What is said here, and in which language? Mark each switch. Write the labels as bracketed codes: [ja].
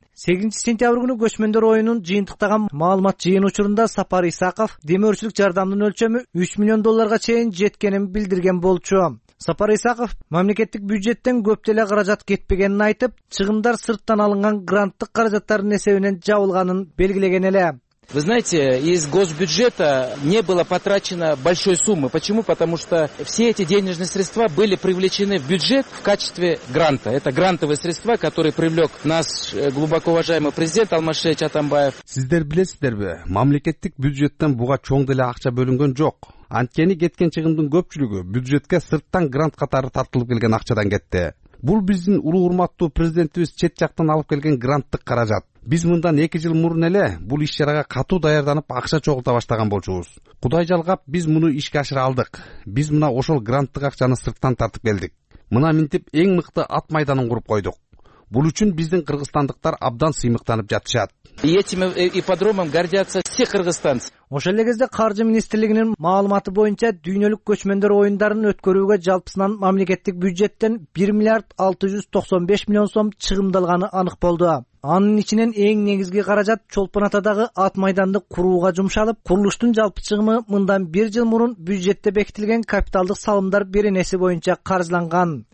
[ky] 8-сентябрь күнү көчмөндөр оюнун жыйынтыктаган маалымат жыйын учурунда Сапар Исаков демөөрчүлүк жардамдын өлчөмү 3 миллион долларга чейин жеткенин билдирген болчу. Сапар Исаков мамлекеттик бюджеттен көп деле каражат кетпегенин айтып, чыгымдар сырттан алынган гранттык каражаттардын эсебинен жабылганын белгилеген эле. [ru] Вы знаете, из госбюджета не было потрачено большой суммы. Почему? Потому что все эти денежные средства были привлечены в бюджет в качестве гранта. Это грантовые средства, которые привлек нас глубоко уважаемый президент Алмашевич Атамбаев. [ky] Сиздер билесиздер бе? Мамлекеттик бюджеттен буга чоң деле акча бөлүнгөн жок. Анткени кеткен чыгымдын көпчүлүгү бюджетке сырттан грант катары тартылып келген акчадан кетти. Бул биздин улуу урматтуу президентибиз чет жактан алып келген гранттык каражат. Биз мындан 2 жыл мурун эле бул иш-чарага катуу даярданып, акча чогулта баштаган болчубуз. Кудай жалгап, биз муну ишке ашыра алдык. Биз мына ошол гранттык акчаны сырттан тартып келдик. Мына минтип эң мыкты ат майданын куруп койдук. Бул үчүн биздин кыргызстандыктар абдан сыймыктанып жатышат. [ru] Этим ипподромом гордятся все кыргызстанцы. [ky] Ошол эле кезде Каржы министрлигинин маалыматы боюнча дүйнөлүк көчмөндөр оюндарын өткөрүүгө жалпысынан мамлекеттик бюджеттен 1 миллиард 695 миллион сом чыгымдалганы анык болду. Анын ичинен эң негизги каражат Чолпон Атадагы ат майданды курууга жумшалып, курулуштун жалпы чыгымы мындан 1 жыл мурун бюджетте бекитилген капиталдык салымдар беренеси боюнча каржыланган.